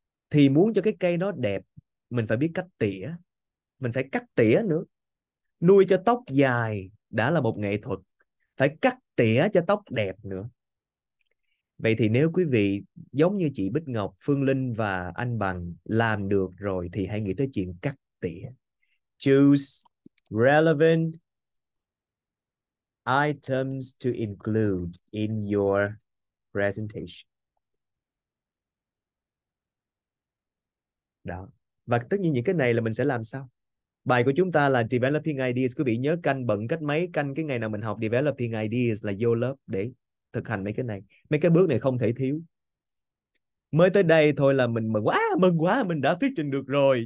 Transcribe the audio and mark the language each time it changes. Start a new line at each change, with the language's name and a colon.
Vietnamese: Thì muốn cho cái cây nó đẹp, mình phải biết cách tỉa. Mình phải cắt tỉa nữa. Nuôi cho tóc dài đã là một nghệ thuật. Phải cắt tỉa cho tóc đẹp nữa. Vậy thì nếu quý vị giống như chị Bích Ngọc, Phương Linh và anh Bằng làm được rồi thì hãy nghĩ tới chuyện cắt tỉa.
English: Choose relevant items to include in your presentation.
Vietnamese: Đó. Và tất nhiên những cái này là mình sẽ làm sao? Bài của chúng ta là Developing Ideas. Quý vị nhớ canh bận cách mấy, canh cái ngày nào mình học Developing Ideas là vô lớp để thực hành mấy cái này. Mấy cái bước này không thể thiếu. Mới tới đây thôi là mình mừng quá, mình đã thuyết trình được rồi.